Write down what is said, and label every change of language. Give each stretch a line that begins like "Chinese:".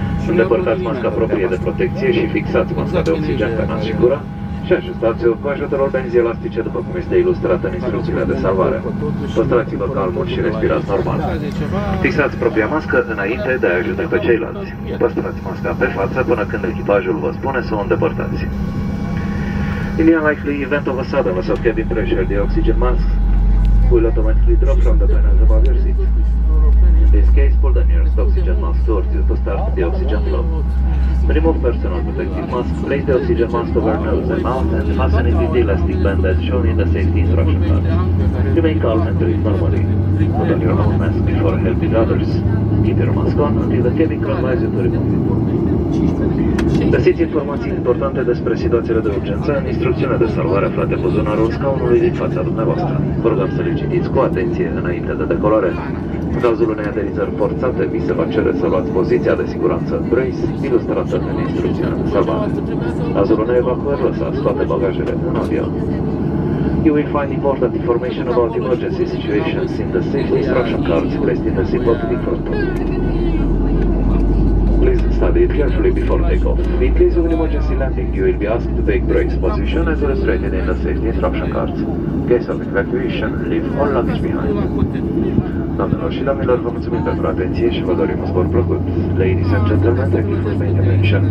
Romanian: Îndepărtați masca proprie de protecție și fixați masca de oxigen pe nas și gură și ajustați-o cu ajutorul benzii elastice, după cum este ilustrat în instrucțiunile de salvare. Păstrați-vă calmul și respirați normal. Fixați propria mască înainte de a ajuta pe ceilalți. Păstrați masca pe față până când echipajul vă spune să o îndepărtați.
English: In the unlikely event of a sudden loss of cabin pressure, the oxygen mask will automatically drop from the panels above your seat. In this case, pull the nearest oxygen mask towards you to start the oxygen flow. Remove personal protective mask, place the oxygen mask over nose and mouth, and fasten it with the elastic band as shown in the safety instruction card. Remain calm and breathe normally. Put on your own mask before helping others. Keep your mask on until the cabin crew advises you to remove it.
Romanian: Găsiți informații importante despre situațiile de urgență în instrucțiunea de salvare aflate pe buzunarul scaunului din fața dumneavoastră. Vă rugăm să le citiți cu atenție înainte de decolare. În cazul unei aterizări forțate, vi se va cere să luați poziția de siguranță brace, ilustrată în instrucțiunea de salvare. În cazul unei evacuări, lăsați toate bagajele în avion.
English: You will find important information about emergency situations in the safety instruction cards placed in the seatbelt in front of you. Please study it carefully before takeoff. In case of an emergency landing, you will be asked to take brace position as illustrated in the safety instruction cards. In case of evacuation, leave all luggage behind.
Romanian: Doamnelor și domnilor, vă mulțumim pentru atenție și vă dorim un zbor plăcut.
English: Ladies and gentlemen, thank you for making mention.